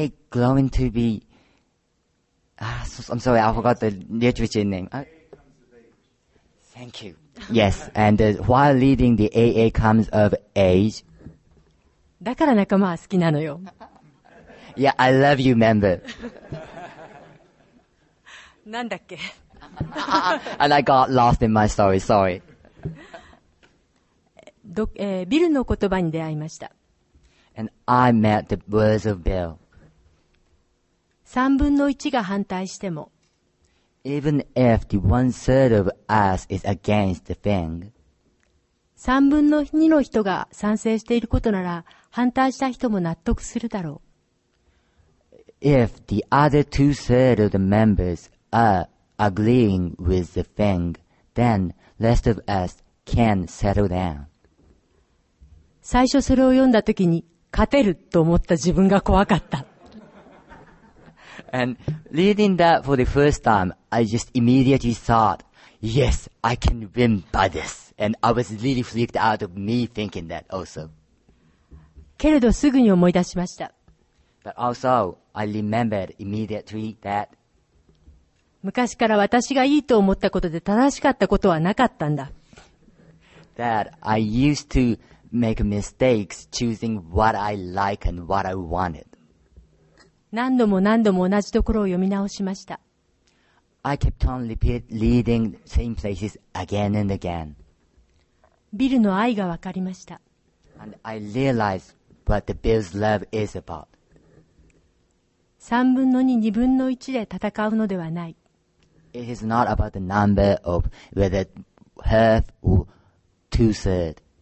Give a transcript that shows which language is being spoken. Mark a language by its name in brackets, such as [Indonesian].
[English] growing to be, I'm sorry, I forgot the literature name. Thank you. Yes, and while reading the AA Comes of Age. [Japanese] だから仲間は好きなのよ。 [English] Yeah, I love you, member. [Japanese] なんだっけ [English] And I got lost in my story, sorry. [Japanese] ビルの言葉に出会いました。 [English] And I met the words of Bill. [Japanese] 三分の一が反対しても、 [English] Even if the one third of us is against the thing, [Japanese] 三分の二の人が賛成していることなら、反対した人も納得するだろう。 [English] If the other two third of the members are agreeing with the thing, then rest of us can settle down. [Japanese] 最初それを読んだときに、勝てると思った自分が怖かった。 [English] And reading that for the first time, I just immediately thought, yes, I can win by this. And I was really freaked out of me thinking that also. [Japanese] けれどすぐに思い出しました。 [English] But also, I remembered immediately that [Japanese] 昔から私がいいと思ったことで正しかったことはなかったんだ。 [English] That I used to make mistakes choosing what I like and what I wanted. [Japanese] 何度も何度も同じところを読み直しました。 [English] I kept on repeat reading the same places again and again. [Japanese] ビルの愛が分かりました。 [English] And I realized what the Bill's love is about. [Japanese] 三分の二、二分の一で戦うのではない。 [English] It is not about the number of whether half or two third.